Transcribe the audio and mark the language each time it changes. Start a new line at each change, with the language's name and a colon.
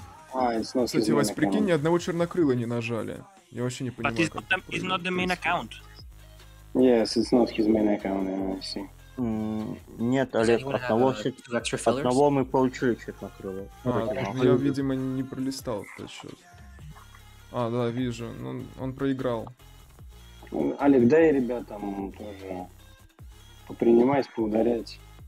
Russian: Кстати, Вась, прикинь, ни одного чернокрыла не нажали. Я вообще не понимаю.
English: But he's not the main account. Yes, it's not his main account, I see.
Russian: Нет, Олег, одного мы получили чернокрыла. Я, видимо, не пролистал этот счет. А, да, вижу. Ну, он проиграл. Олег, дай ребятам тоже попринимать, поударять.